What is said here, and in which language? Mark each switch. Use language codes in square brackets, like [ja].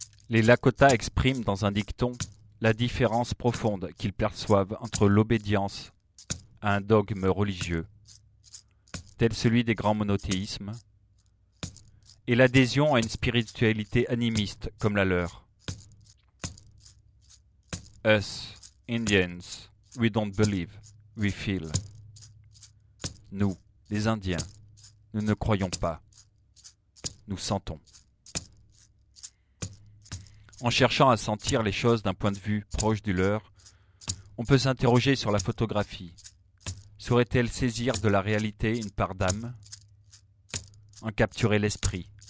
[fr] Les Lakota expriment dans un dicton la différence profonde qu'ils perçoivent entre l'obédience à un dogme religieux, tel celui des grands monothéismes, et l'adhésion à une spiritualité animiste comme la leur. [en] Us, Indians, we don't believe, we feel. [fr] Nous, les Indiens, nous ne croyons pas, nous sentons. En cherchant à sentir les choses d'un point de vue proche du leur, on peut s'interroger sur la photographie. Saurait-elle saisir de la réalité une part d'âme, en capturer l'esprit?